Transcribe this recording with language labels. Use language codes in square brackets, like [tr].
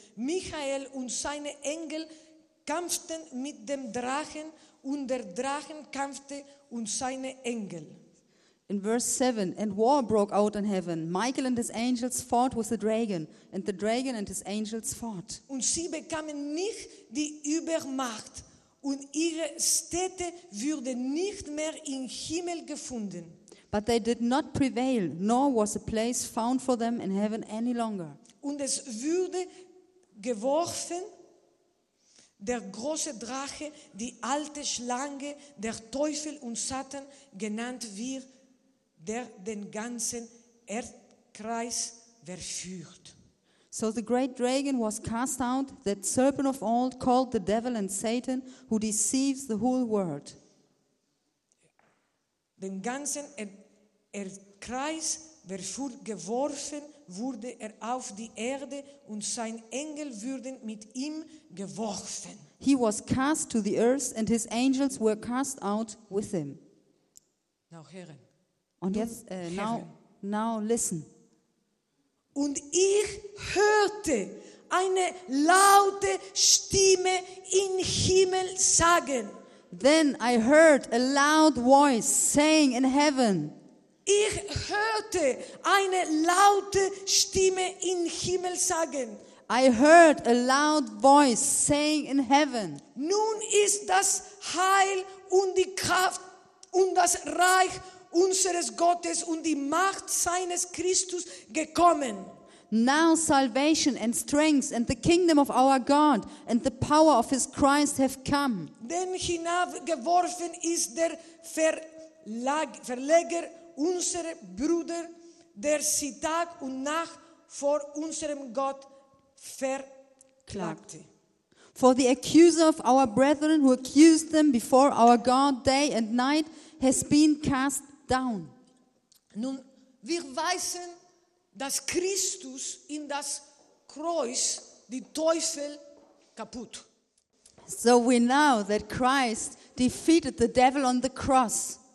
[de] Michael und seine Engel kämpften mit dem Drachen und der Drachen kämpfte und seine Engel. [en] In verse 7, and war broke out in heaven. Michael and his angels fought with the dragon and his angels fought. [de] Und sie bekamen nicht die Übermacht und ihre Städte wurden nicht mehr im Himmel gefunden. [en] But they did not prevail, nor was a place found for them in heaven any longer. [de] Und es wurde geworfen, der große Drache, die alte Schlange, der Teufel und Satan, genannt wird, der den ganzen Erdkreis verführt. [en] So the great dragon was cast out, that serpent of old called the devil and Satan, who deceives the whole world. [de] Den ganzen Erdkreis verführt, geworfen wurde er auf die Erde und sein Engel wurden mit ihm geworfen. [en] He was cast to the earth and his angels were cast out with him. [de] Now, Herren. Und jetzt, now listen. Und ich hörte eine laute Stimme im Himmel sagen. [en] Then I heard a loud voice saying in heaven. [de] Ich hörte eine laute Stimme im Himmel sagen. [en] I heard a loud voice saying in heaven. [de] Nun ist das Heil und die Kraft und das Reich unseres Gottes und die Macht seines Christus gekommen. [en] Now salvation and strength and the kingdom of our God and the power of his Christ have come. [de] Denn hinabgeworfen ist der Verleger unserer Brüder, der sie Tag und Nacht vor unserem Gott verklagte. [en] For the accuser of our brethren who accused them before our God day and night has been cast down. [de] Nun, wir wissen, dass Christus in das Kreuz die Teufel kaputt. [en] So we know that Christ defeated the devil on the cross.